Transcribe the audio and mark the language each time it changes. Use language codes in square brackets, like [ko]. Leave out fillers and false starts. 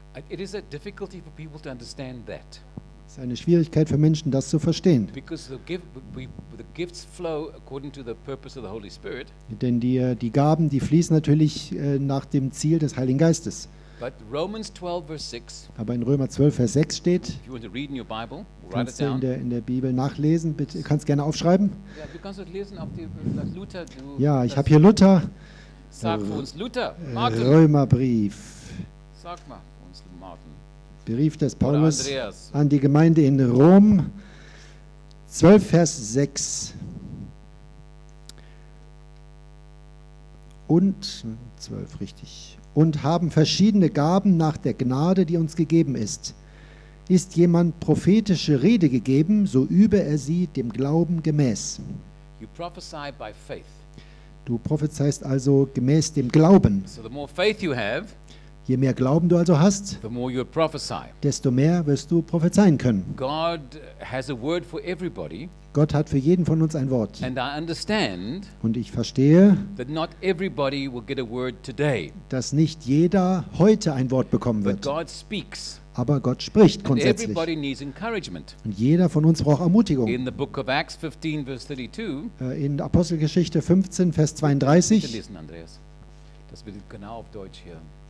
[en] It is a difficulty for people to understand that. [de] Es ist eine Schwierigkeit für Menschen, das zu verstehen. [en] Because the gifts flow according to the purpose of the Holy Spirit. [de] Denn die Gaben, die fließen natürlich nach dem Ziel des Heiligen Geistes. [en] But Romans 12 verse 6. [de] Aber in Römer 12 Vers 6 steht. [en] If you want to read in your Bible, write it down. [de] Kannst du in der Bibel nachlesen? Bitte, kannst gerne aufschreiben. Yeah, du kannst es lesen auf die Luther. Ja, ich habe hier Luther. Sag für uns Luther. Martin. Römerbrief. Sag mal. Brief des Paulus an die Gemeinde in Rom, 12 Vers 6. Und 12, richtig. Und haben verschiedene Gaben nach der Gnade, die uns gegeben ist. Ist jemand prophetische Rede gegeben, so übe er sie dem Glauben gemäß. [en] You prophesy by faith. [de] Du prophezeist also gemäß dem Glauben. [en] So the more faith you have, [de] Je mehr Glauben du also hast, desto mehr wirst du prophezeien können. [en] God has a word for everybody. [de] Gott hat für jeden von uns ein Wort. [en] And I understand, [de] und ich verstehe, [en] that not everybody will get a word today. [de] Dass nicht jeder heute ein Wort bekommen wird. [en] But God speaks. [de] Aber Gott spricht grundsätzlich. [en] And everybody needs encouragement. [de] Und jeder von uns braucht Ermutigung. [en] In the book of Acts 15, verse 32, [de] in Apostelgeschichte 15, Vers 32. Ich lese, Andreas. Das wird genau auf Deutsch hier.